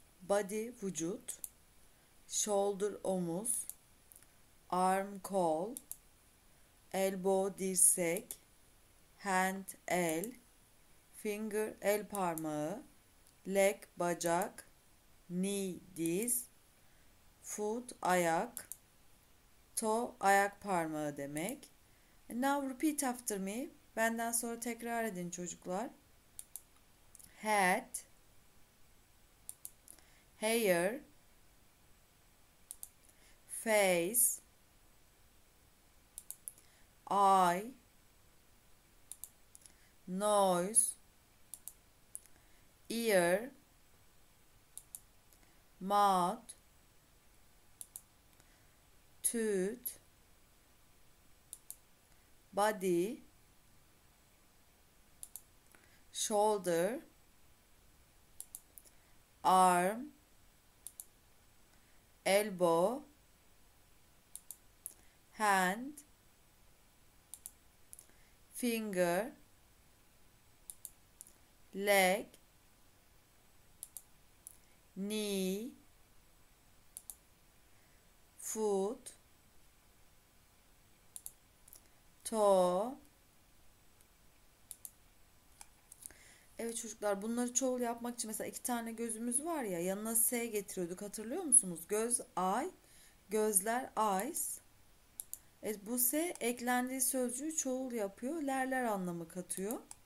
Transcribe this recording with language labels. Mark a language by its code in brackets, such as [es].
[tr] Body vücut, shoulder omuz, arm kol, elbow dirsek, hand el, finger el parmağı, leg bacak, knee diz, foot ayak, toe ayak parmağı demek. [en] Now repeat after me. [tr] Benden sonra tekrar edin çocuklar. [en] Head, hair, face, eye, nose, ear, mouth, tooth, body, shoulder, arm, elbow, hand, finger, leg, knee, foot, toe. [tr] Evet çocuklar, bunları çoğul yapmak için mesela iki tane gözümüz var ya, yanına S getiriyorduk, hatırlıyor musunuz? Göz, eye, gözler, eyes. Evet, bu S eklendiği sözcüğü çoğul yapıyor, lerler anlamı katıyor.